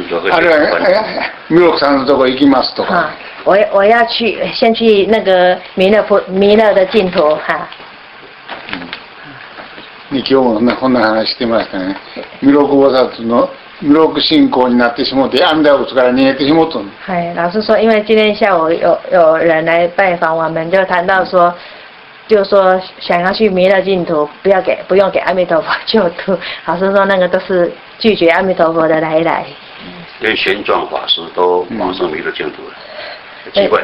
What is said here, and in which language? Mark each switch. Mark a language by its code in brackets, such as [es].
[ja] 啊，对，弥勒禅师とこ行きますとか。 [zh] 我要去，先去那个弥勒的净土哈。 [ja] 今日もこんな話してましたね。弥勒菩薩の弥勒信仰になってしまって阿弥陀仏から逃げてしまったの。 [zh] はい、老师说，因为今天下午有人来拜访我们，就谈到说，就说想要去弥勒净土，不用给阿弥陀佛救度。老师说，那个都是拒绝阿弥陀佛的来来。连玄奘法师都往生弥勒净土了，奇怪。